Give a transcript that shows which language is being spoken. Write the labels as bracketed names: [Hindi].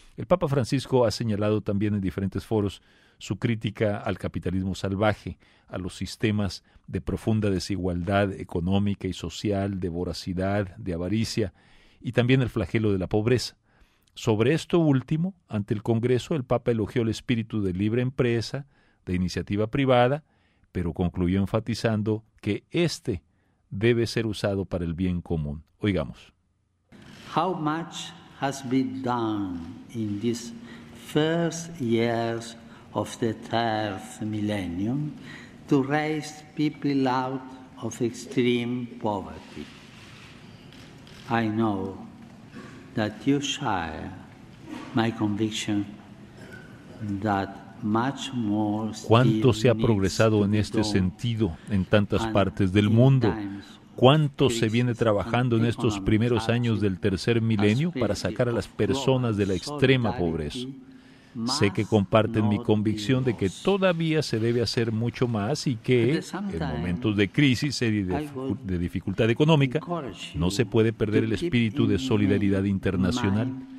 [Spanish] El Papa Francisco ha señalado también en diferentes foros su crítica al capitalismo salvaje, a los sistemas de profunda desigualdad económica y social, de voracidad, de avaricia, y también el flagelo de la pobreza. Sobre esto último, ante el Congreso, el Papa elogió el espíritu de libre empresa, de iniciativa privada, pero concluyó enfatizando que este debe ser usado para el bien común. Oigamos. [English] How much has been done in these first years of the third millennium to raise people out of extreme poverty? I know that you share my conviction that much more. [Spanish] ¿Cuánto se ha progresado en este sentido en tantas partes del mundo? ¿Cuánto se viene trabajando en estos primeros años del tercer milenio para sacar a las personas de la extrema pobreza? Sé que comparten mi convicción de que todavía se debe hacer mucho más y que, en momentos de crisis y de dificultad económica, no se puede perder el espíritu de solidaridad internacional.